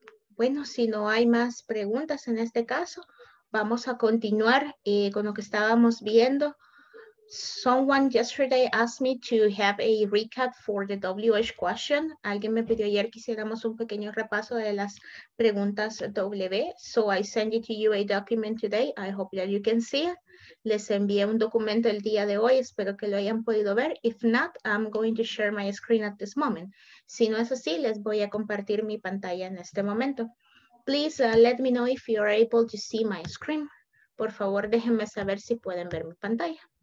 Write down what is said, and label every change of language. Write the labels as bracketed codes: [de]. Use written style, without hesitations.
[es] Bueno, si no hay más preguntas en este caso, vamos a continuar con lo que estábamos viendo. [en] Someone yesterday asked me to have a recap for the WH question. [es] Alguien me pidió ayer que hiciéramos un pequeño repaso de las preguntas W. [en] So I send it to you a document today. I hope that you can see it. [es] Les envié un documento el día de hoy. Espero que lo hayan podido ver. [en] If not, I'm going to share my screen at this moment. [es] Si no es así, les voy a compartir mi pantalla en este momento. [en] Please let me know if you're able to see my screen. [es] Por favor, déjenme saber si pueden ver mi pantalla.